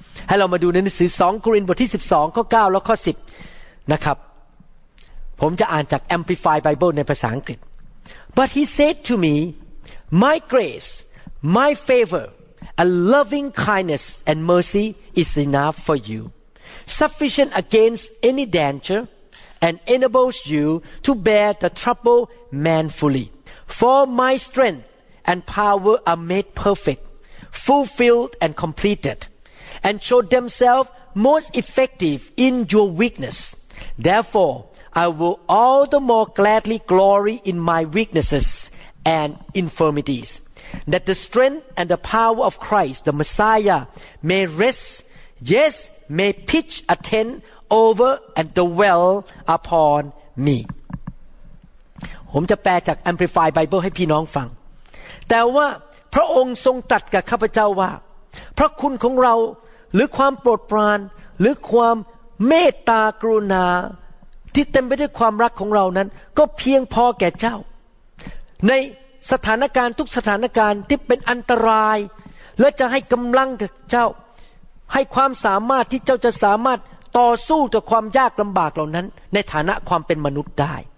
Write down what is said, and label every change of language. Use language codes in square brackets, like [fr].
[en] ให้เรามาดูในหนังสือ2โครินธ์บทที่12ข้อ9และข้อ10นะครับผมจะอ่านจาก Amplified Bible ในภาษาอังกฤษ But he said to me, My grace, my favorA loving kindness and mercy is enough for you, sufficient against any danger, and enables you to bear the trouble manfully. For my strength and power are made perfect, fulfilled and completed, and show themselves most effective in your weakness. Therefore, I will all the more gladly glory in my weaknesses and infirmities. That the strength and the power of Christ, the Messiah, may rest, yes, may pitch a tent over and dwell upon me. [th] ผมจะแปลจาก Amplified Bible ให้พี่น้องฟังแต่ว่าพระองค์ทรงตรัสกับข้าพเจ้าว่าพระคุณของเราหรือความโปรดปรานหรือความเมตตากรุณาที่เต็มไปด้วยความรักของเรานั้นก็เพียงพอแก่เจ้าในสถานการณ์ทุกสถานการณ์ที่เป็นอันตรายและจะให้กำลังกับเจ้าให้ความสามารถที่เจ้าจะสามารถต่อสู้กับความยากลำบากเหล่านั้นในฐานะความเป็นมนุษย์ได้